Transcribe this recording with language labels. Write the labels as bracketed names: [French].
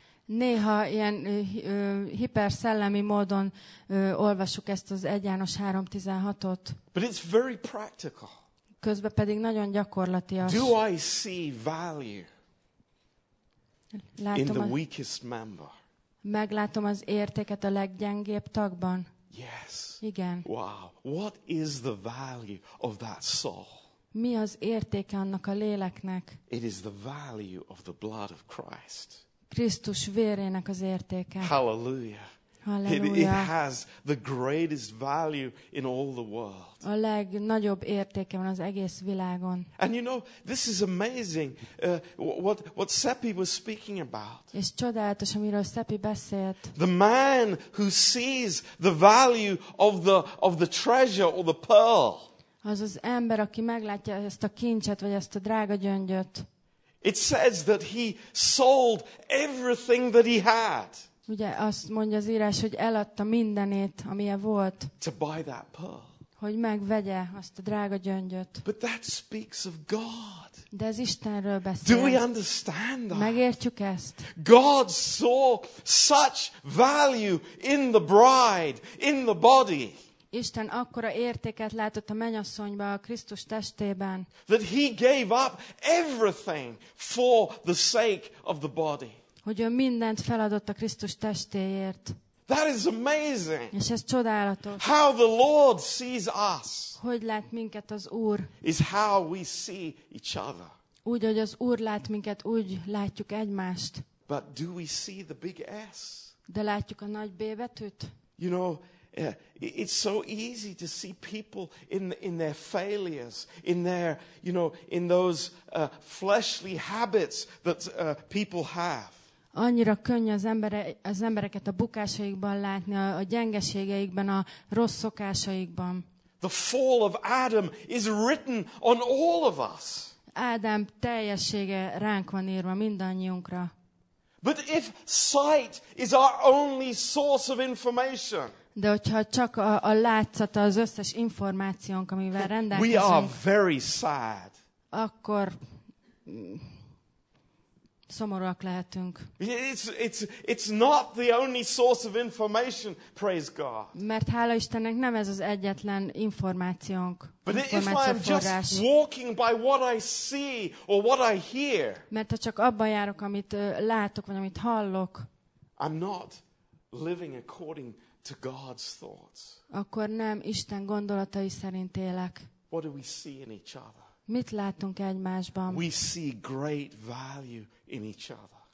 [Hungarian] Néha ilyen hiperszellemi módon olvasuk ezt az 1 János 3:16-ot. [English] But it's very practical. [Hungarian] Közben pedig nagyon gyakorlatias. [English] Do I see value in the weakest member? [Hungarian] Meglátom az értéket a leggyengébb tagban. [English] Yes. [Hungarian] Igen. [English] Wow. What is the value of that soul? [Hungarian] Mi az értéke annak a léleknek? [English] It is the value of the blood of Christ. [Hungarian] Krisztus vérének az értéke. Hallelujah. [English] It has the greatest value in all the world. [Hungarian] A legnagyobb értéke van az egész világon. [English] And you know, this is amazing what Seppi was speaking about. [Hungarian] És csodálatos, amiről Seppi beszélt. [English] The man who sees the value of the treasure or the pearl. [Hungarian] Az az ember, aki meglátja ezt a kincset vagy ezt a drága gyöngyöt. [English] It says that he sold everything that he had. [Hungarian] Ugye azt mondja az írás, hogy eladta mindenét, amilyen volt. [English] To buy that pearl. [Hungarian] Hogy megvegye azt a drága gyöngyöt. [English] But that speaks of God. [Hungarian] De ez Istenről beszél. [English] Do we understand that? [Hungarian] Megértjük ezt. [English] God saw such value in the bride, in the body. [Hungarian] Isten akkora értéket látott a mennyasszonyba, a Krisztus testében. [English] That he gave up everything for the sake of the body. [Hungarian] Hogy ő mindent feladott a Krisztus testéért. [English] That is amazing. [Hungarian] És ez csodálatos. [English] How the Lord sees us. [Hungarian] Hogy lát minket az Úr. [English] Is how we see each other. [Hungarian] Úgy, hogy az Úr lát minket, úgy látjuk egymást. [English] But do we see the big S? [Hungarian] De látjuk a nagy B betűt? [English] You know, yeah, it's so easy to see people in their failures, in their, you know, in those fleshly habits that people have. [Hungarian] Annyira könnyű az embereket a bukásaikban látni, a gyengeségeikben, a rossz szokásaikban. [English] The fall of Adam is written on all of us. [Hungarian] Ádám teljessége ránk van írva, mindannyiunkra. [English] But if sight is our only source of information. [Hungarian] De hogyha csak a látszata az összes információnk, amivel rendelkezünk. [English] We are very sad. [Hungarian] Akkor szomorúak lehetünk. [English] It's not the only source of information, praise God. [Hungarian] Mert hála Istennek nem ez az egyetlen információnk. [English] But if I'm just walking by what I see or what I hear. [Hungarian] Mert ha csak abban járok, amit látok vagy amit hallok. [English] I'm not living according to God's thoughts. [Hungarian] Akkor nem Isten gondolatai szerint élek. [English] What do we see in each other? [Hungarian] Mit látunk egymásban? [English] We see great value in each other.